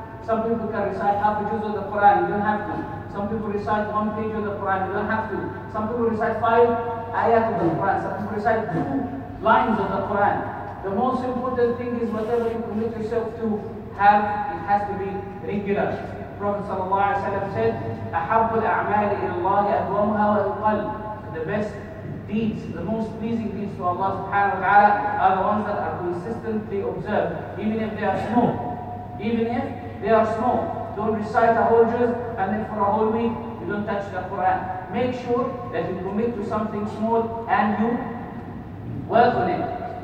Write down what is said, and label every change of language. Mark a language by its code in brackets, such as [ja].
[en] Some people can recite half a juz of the Quran, you don't have to. Some people recite one page of the Quran, you don't have to. Some people recite five ayat of the Quran, some people recite two lines of the Quran. The most important thing is whatever you commit yourself to have, it has to be regular. Prophet ﷺ said, [ar] أَحَبُّ الْأَعْمَالِ إِلَى اللَّهِ أَدْوَمْهَا وَالْقَلْبِ. [en] The best deeds, the most pleasing deeds to Allah subhanahu wa ta'ala are the ones that are consistently observed, even if they are small. Even if they are small. Don't recite a whole juz and then for a whole week you don't touch the Quran. Make sure that you commit to something small and you work on it.